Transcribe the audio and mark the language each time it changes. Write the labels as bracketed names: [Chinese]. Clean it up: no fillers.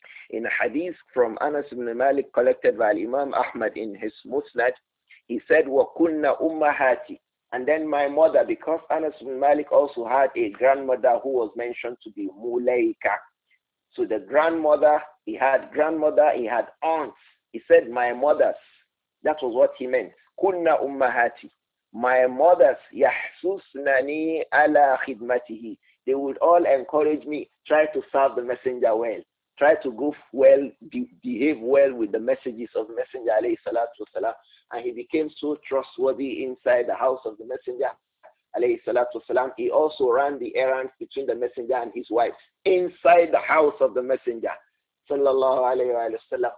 [English] In a hadith from Anas ibn Malik collected by Imam Ahmad in his Musnad, he said, [Arabic] وَكُنَّ أُمَّهَاتِ. [English] And then my mother, because Anas ibn Malik also had a grandmother who was mentioned to be Mulaika. So the grandmother, he had aunts. He said, my mothers, that was what he meant. [Arabic] كُنَّ أُمَّهَاتِ. [English] My mothers, [Arabic] يَحْسُسْنَنِي عَلَى خِدْمَتِهِ. [English] They would all encourage me, try to serve the messenger well. Try to go well, behave well with the messages of the messenger, alayhi salatu wasalam. And he became so trustworthy inside the house of the messenger, alayhi salatu wasalam. He also ran the errands between the messenger and his wife inside the house of the messenger, sallallahu alayhi wa sallam.